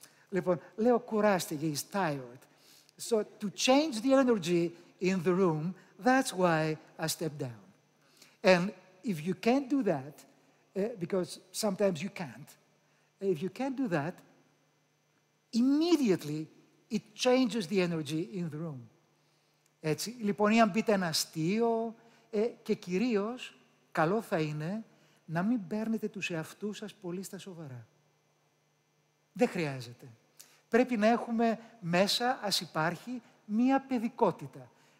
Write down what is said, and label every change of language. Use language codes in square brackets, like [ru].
[el] Λοιπόν, λέω, κουράστηκε, [en] he's tired. So, to change the energy in the room, that's why I stepped down. And if you can't do that, because sometimes you can't, if you can't do that, immediately it changes the energy in the room. [el] Έτσι, λοιπόν, ή αν πείτε ένα αστείο, και κυρίως, καλό θα είναι να μην παίρνετε τους εαυτούς σας πολύ στα σοβαρά. Δεν χρειάζεται. Πρέπει να έχουμε μέσα, ας υπάρχει, μία παιδικότητα.